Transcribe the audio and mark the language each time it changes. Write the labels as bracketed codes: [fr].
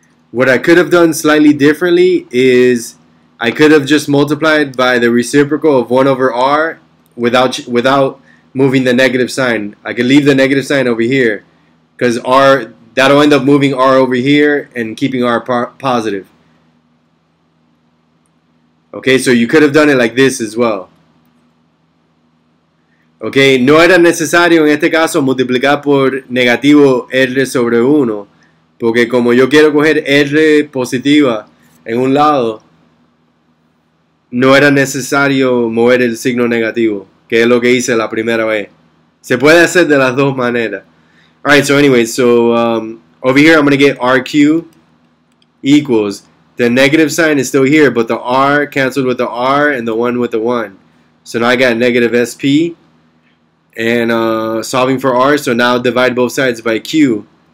[en] What I could have done slightly differently is I could have just multiplied by the reciprocal of 1 over R without moving the negative sign. I could leave the negative sign over here because R, that'll end up moving R over here and keeping R positive. Okay, so you could have done it like this as well. [es] Okay, no era necesario en este caso multiplicar por negativo R sobre 1. Porque como yo quiero coger R positiva en un lado, no era necesario mover el signo negativo, que es lo que hice la primera vez. Se puede hacer de las dos maneras. [en] Alright, so anyway, so over here I'm going to get RQ equals, the negative sign is still here, but the R canceled with the R and the 1 with the 1. So now I got negative SP, and solving for R, so now divide both sides by Q.